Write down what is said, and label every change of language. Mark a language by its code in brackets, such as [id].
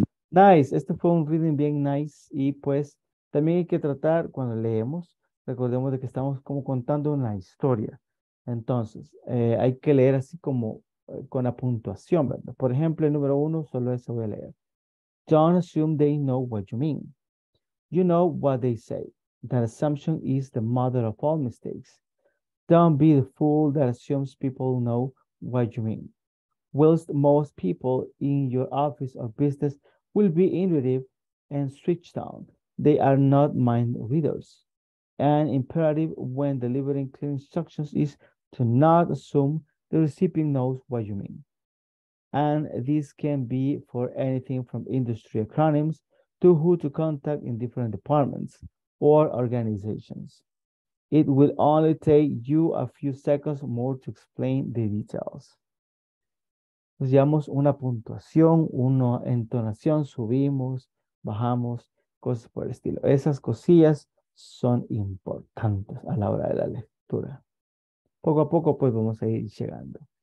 [es] Nice, este fue un reading bien nice y pues también hay que tratar cuando leemos, recordemos de que estamos como contando una historia. Entonces, hay que leer así como con la puntuación, ¿verdad? Por ejemplo, el número uno, solo eso voy a leer. [en] Don't assume they know what you mean. You know what they say. That assumption is the mother of all mistakes. Don't be the fool that assumes people know what you mean. Whilst most people in your office or business will be intuitive and switched on, they are not mind readers. An imperative when delivering clear instructions is to not assume the recipient knows what you mean. And this can be for anything from industry acronyms to who to contact in different departments or organizations. It will only take you a few seconds more to explain the details. [es] Nos llevamos una puntuación, una entonación, subimos, bajamos, cosas por el estilo. Esas cosillas son importantes a la hora de la lectura. Poco a poco, pues, vamos a ir llegando.